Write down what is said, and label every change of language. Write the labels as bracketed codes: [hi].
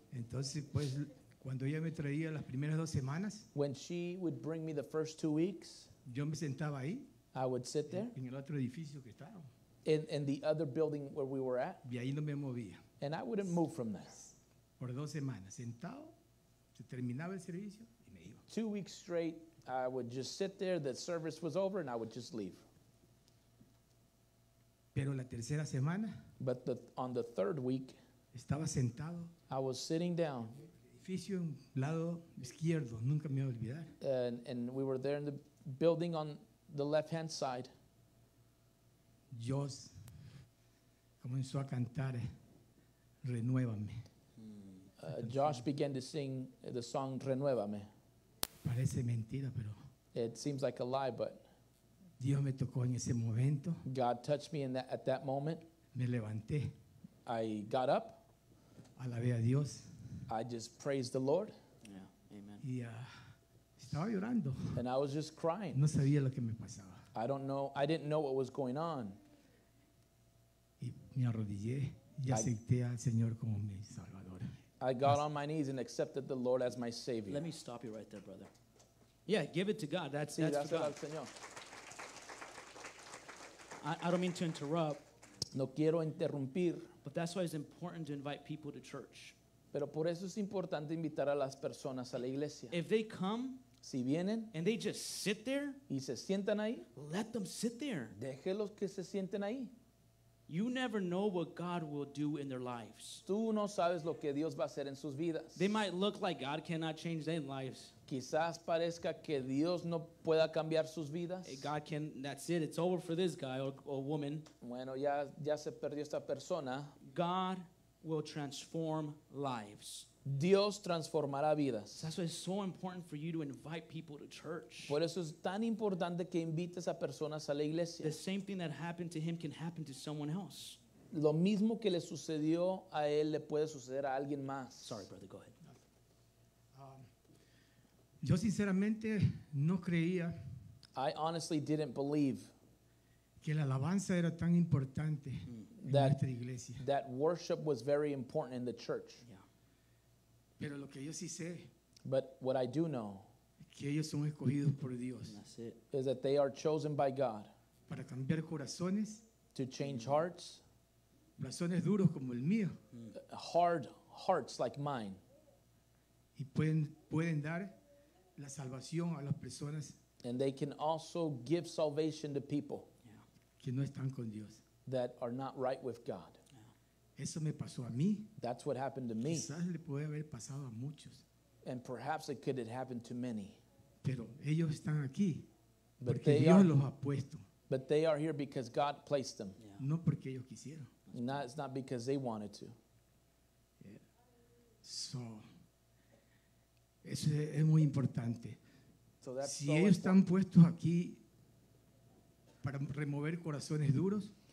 [es] Entonces, pues, cuando ella me traía las primeras dos semanas, [en] when she would bring me the first 2 weeks, [es] yo me sentaba ahí. [en] I would sit there. [es] En el otro edificio que estaba. [en] In the other building where we were at. [es] Y ahí no me movía. [en] And I wouldn't move from this. [es] Por dos semanas, sentado, se terminaba el servicio y me iba. [en] 2 weeks straight, I would just sit there. The service was over, and I would just leave. [es] Pero la tercera semana, [en] but on the third week, [es] estaba sentado. [en] I was sitting down. [es] Edificio en lado izquierdo, nunca me voy a olvidar. [en] And we were there in the building on the left-hand side. [es] Dios comenzó a cantar, renuévame. [en] Josh began to sing the song Renuévame. [es] Parece mentira, pero [en] it seems like a lie, but [es] Dios me tocó en ese momento. [en] God touched me at that moment. [es] Me levanté. [en] I got up. [es] Alabé a Dios. [en] I just praised the Lord. Yeah, amen. [es] Y estaba llorando. [en] And I was just crying. [es] No sabía lo que me pasaba. [en] I don't know. I didn't know what was going on. [es] Y me arrodillé y acepté al Señor como mi Salvador. [en] I got on my knees and accepted the Lord as my Savior. Let me stop you right there, brother. Yeah, give it to God. That's it. That's for God. [es] Señor. [en] I don't mean to interrupt. [es] No quiero interrumpir. [en] But that's why it's important to invite people to church. [es] Pero por eso es importante invitar a las personas a la iglesia. [en] If they come, [es] si vienen, [en] and they just sit there, [es] y se sientan ahí, [en] let them sit there. [es] Déjelos que se sienten ahí. [en] You never know what God will do in their lives. [es] Tú no sabes lo que Dios va a hacer en sus vidas. [en] They might look like God cannot change their lives. [es] Quizás parezca que Dios no pueda cambiar sus vidas. [en] God can, that's it, it's over for this guy or woman. [es] Bueno, ya se perdió esta persona. [en] God will transform lives. [es] Dios transformará vidas. [en] So that's why it's so important for you to invite people to church. [es] Por eso es tan importante que invites a personas a la iglesia. [en] The same thing that happened to him can happen to someone else. [es] Lo mismo que le sucedió a él le puede suceder a alguien más. [en] Sorry, brother, go ahead. [es] Yo sinceramente no creía. [en] I honestly didn't believe [es] que la alabanza era tan importante en nuestra iglesia. [en] That worship was very important in the church. Yeah. [es] Pero lo que yo sí sé, [en] but what I do know, [es] que ellos son escogidos por Dios, [en] is that they are chosen by God, [es] para cambiar corazones, [en] to change hearts, [es] corazones duros como el mío, [en] hard hearts like mine, [es] y pueden dar la salvación a las personas, [en] and they can also give salvation to people, yeah, [es] que no están con Dios, [en] that are not right with God. [es] Eso me pasó a mí. [en] That's what happened to me. [es] Quizás le puede haber pasado a muchos. [en] And perhaps it could have happened to many. [es] Pero ellos están aquí porque Dios los ha puesto. [en] But they are here because God placed them. Yeah. [es] No porque ellos quisieron. [en] Not, it's not because they wanted to. Yeah. So, [es] eso es muy importante. [en] So that's [es] si [en] so [es] ellos [en] important. [es] Están puestos aquí para remover corazones duros,